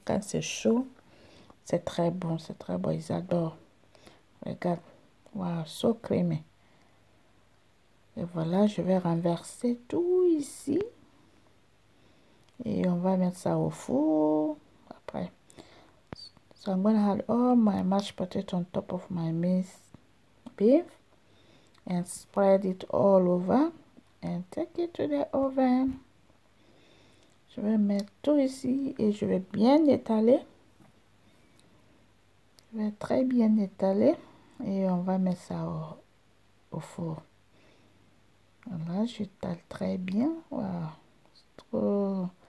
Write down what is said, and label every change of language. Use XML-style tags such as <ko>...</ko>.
<fr>Quand c'est chaud, c'est très bon. C'est très bon. Ils adorent. Regarde.</fr> <en>Wow, so creamy.</en> <fr>Et voilà, je vais renverser tout ici. Et on va mettre ça au four après.</fr> <en>So I'm gonna add all my mashed potato on top of my minced beef and spread it all over and take it to the oven.</en> <fr>Je vais mettre tout ici et je vais bien étaler. Je vais très bien étaler et on va mettre ça au four. Voilà, j'étale très bien. Wow. C'est trop.</fr>